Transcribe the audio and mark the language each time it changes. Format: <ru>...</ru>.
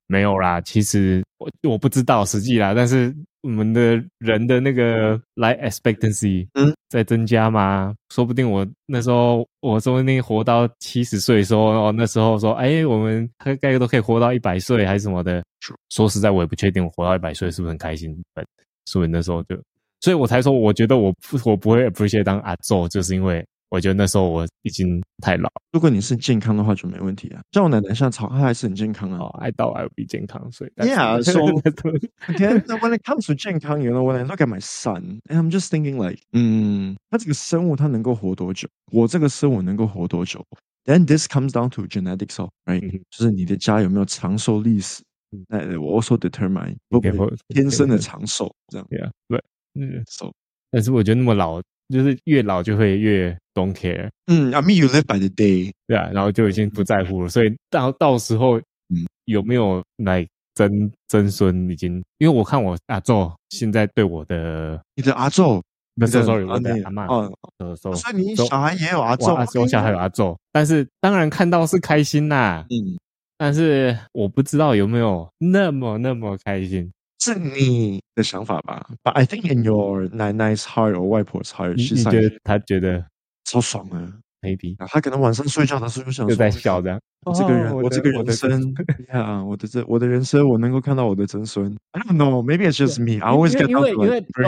<zh>没有啦，其实我不知道实际啦，但是我们的人的那个 life expectancy 在增加嘛，说不定我说不定活到70岁的时候，那时候说哎，我们大概都可以活到100岁还是什么的，说实在我也不确定我活到100岁是不是很开心，所以那时候就，所以我才说我觉得我不会 appreciate 当阿祖，就是因为我觉得那时候我已经太老。如果你是健康的话就没问题啊。像我奶奶像草她还是很健康啊。</zh> <en>I thought I would be</en> <zh>健康，所以。</zh> <en>Yeah, so, okay, so when it comes to 健康, you know, when I look at my son, and I'm just thinking like,</en> <zh>他这个生物他能够活多久？我这个生物能够活多久？</zh> <en>Then this comes down to genetics, right?</en> <zh>就是你的家有没有长寿历史。</zh> <en>That will also determine,</en> <zh>不不不天生的长寿。这样。</zh> <en>Yeah, but, so.</en> <zh>但是我觉得那么老。就是越老就会越</zh> <en>don't care。 I mean you live by the day。</en> <zh>对啊，然后就已经不在乎了。所以到时候，有没有来曾孙已经，因为我看我阿祖现在对我的，你的阿祖，不是 sorry， 我的阿嬷，所以你小孩也有阿祖，我小孩有阿祖，但是当然看到是开心啦。但是我不知道有没有那么开心。是你的想法吧</zh> <en>？But I think in your 奶奶's heart or 外婆's heart，</en> <zh>你觉得他觉得超爽啊</zh> <en>？Maybe</en> <zh>啊，他可能晚上睡觉的时候就想又在笑这样。这个人，我这个人生，我的人生，我能够看到我的曾孙。</zh> <en>I don't know, maybe it's just me. I always get</en>